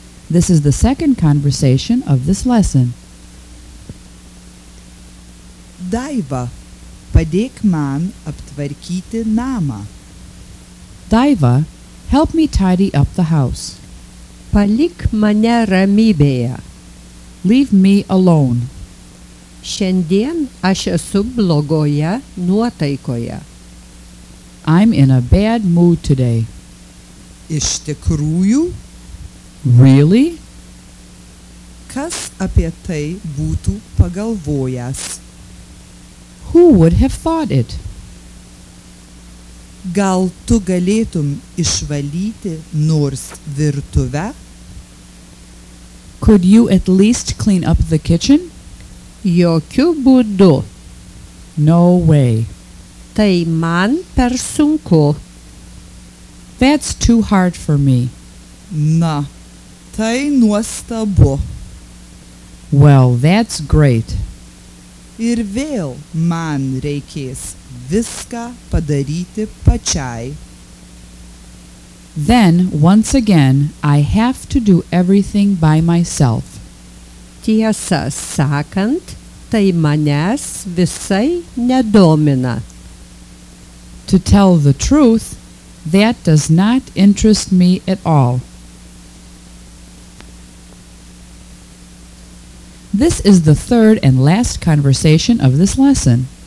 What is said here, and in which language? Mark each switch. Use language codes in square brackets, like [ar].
[en] This is the second conversation of this lesson. [lt] Daiva, padėk man aptvarkyti namą. [en] Daiva, help me tidy up the house. [lt] Palik mane ramybėje. [en] Leave me alone. [lt] Šiandien aš esu blogoje nuotaikoje. [en] I'm in a bad mood today. [lt] Iš tikrųjų? [en] Really? [lt] Kas apie tai būtų pagalvojęs? [en] Who would have thought it? [lt] Gal tu galėtum išvalyti nors virtuvę? [en] Could you at least clean up the kitchen? [lt] Jokiu būdu. [en] No way. [lt] Tai man per sunku. [en] That's too hard for me. [lt] Na, tai nuostabu. [en] Well, that's great. [lt] Ir vėl man reikės viską padaryti pačiai. [en] Then, once again, I have to do everything by myself. [lt] Tiesą sakant, tai manęs visai nedomina. [en] To tell the truth, that does not interest me at all. This is the third and last conversation of this lesson.